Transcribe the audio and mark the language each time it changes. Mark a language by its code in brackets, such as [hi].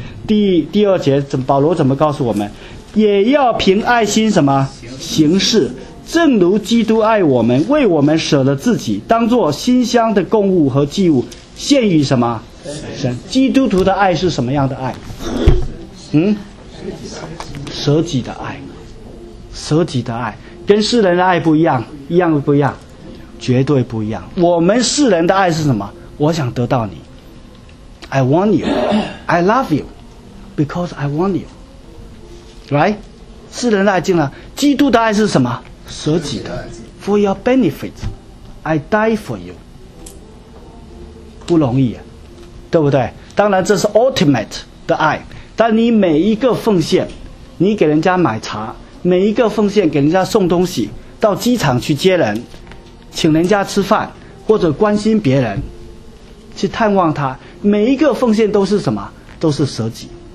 [zh] 第二节怎保罗怎么告诉我们？也要凭爱心什么行事，正如基督爱我们，为我们舍了自己，当作馨香的供物和祭物，献于什么神。基督徒的爱是什么样的爱？舍己的爱。舍己的爱跟世人的爱不一样，一样不一样？绝对不一样。我们世人的爱是什么？我想得到你， [en] I want you， I love you because I want you，来、right? [zh] 世人的爱进来，基督的爱是什么？舍己的 [en] For your benefit I die for you， [zh] 不容易、啊、对不对？当然这是 ultimate 的爱，但你每一个奉献，你给人家买茶，每一个奉献给人家送东西，到机场去接人，请人家吃饭，或者关心别人，去探望他，每一个奉献都是什么？都是舍己。